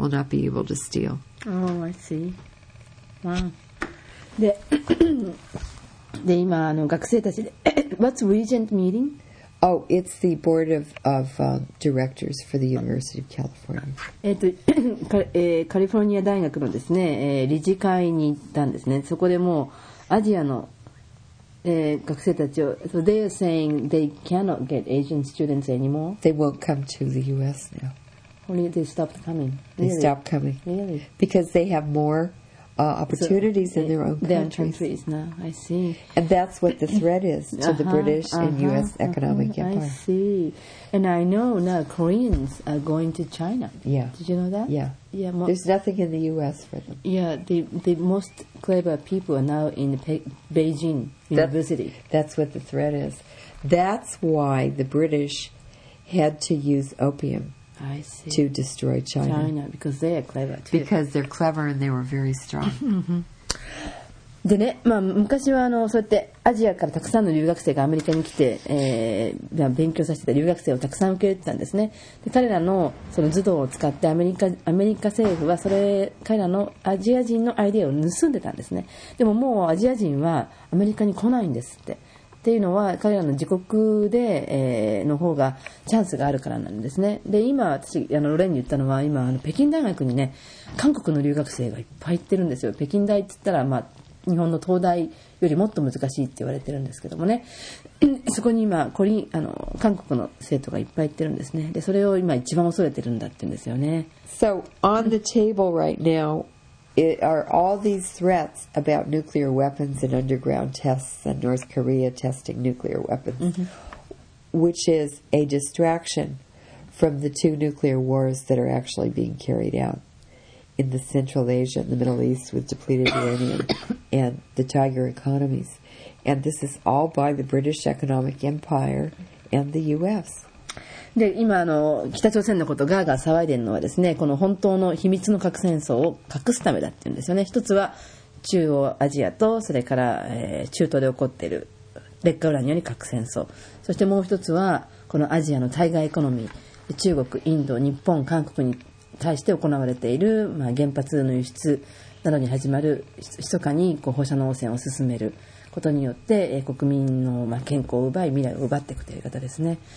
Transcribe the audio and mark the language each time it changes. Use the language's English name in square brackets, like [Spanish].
[English] will not be able to steal. Oh, I see. Wow. [Japanese] で今学生たちで [English] What's regent meeting? Oh, it's the board of directors for the University of California. [Japanese] カリフォルニア大学のですね、理事会に行ったんですね。そこでもうアジアの、学生たちを [English] So they are saying they cannot get Asian students anymore. They won't come to the U.S. now. Only they stopped coming. They stopped coming. Really? Because they have more. Opportunities so, in their own countries now. I see. And that's what the threat is to the British and U.S. economic empire. I see. And I know now Koreans are going to China. Yeah. Did you know that? Yeah. Yeah. There's nothing in the U.S. for them. Yeah. The most clever people are now in Beijing University. That's what the threat is. That's why the British had to use opium. I see. To destroy China. China, because they are clever too. Because they're clever and they were very strong. [Japanese] でね、まあ、昔はそうやってアジアからたくさんの留学生がアメリカに来て、勉強させてた留学生をたくさん受け入れてたんですね。で、彼らのその頭脳を使ってアメリカ政府はそれ、彼らのアジア人のアイデアを盗んでたんですね。でももうアジア人はアメリカに来ないんですって。っていうのは彼らの自国で、の方がチャンスがあるからなんですね。で今私ロレンに言ったのは今北京大学にね韓国の留学生がいっぱい行ってるんですよ。北京大って言ったら、まあ、日本の東大よりもっと難しいって言われてるんですけどもね。そこに今韓国の生徒がいっぱい行ってるんですね。でそれを今一番恐れてるんだって言うんですよね。 [English] So on the table right now It are all these threats about nuclear weapons and underground tests and North Korea testing nuclear weapons, which is a distraction from the two nuclear wars that are actually being carried out in the Central Asia and the Middle East with depleted uranium and the tiger economies. And this is all by the British Economic Empire and the U.S. [Japanese] で今あの北朝鮮のことガーガー騒いでるのはですね、この本当の秘密の核戦争を隠すためだっていうんですよね。一つは中央アジアと、それから、中東で起こっている劣化ウランによる核戦争、そしてもう一つはこのアジアの対外エコノミー、中国、インド、日本、韓国に対して行われている、まあ、原発の輸出などに始まる密かにこう放射能汚染を進めることによって国民の健康を奪い未来を奪っていくという方ですね。